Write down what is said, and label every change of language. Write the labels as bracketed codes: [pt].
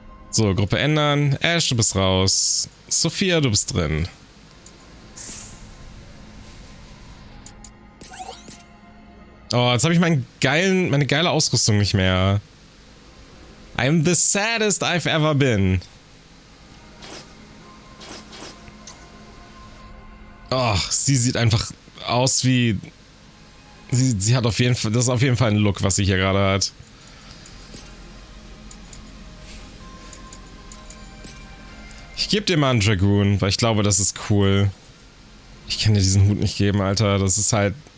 [de] So, Gruppe ändern. Ash, du bist raus. Sophia, du bist drin. Oh, jetzt habe ich meine geile Ausrüstung nicht mehr. [en] I'm the saddest I've ever been. [de] Oh, sie sieht einfach aus wie... Sie hat auf jeden Fall... Das ist auf jeden Fall ein Look, was sie hier gerade hat. Ich gebe dir mal einen Dragoon, weil ich glaube, das ist cool. Ich kann dir diesen Hut nicht geben, Alter. Das ist halt...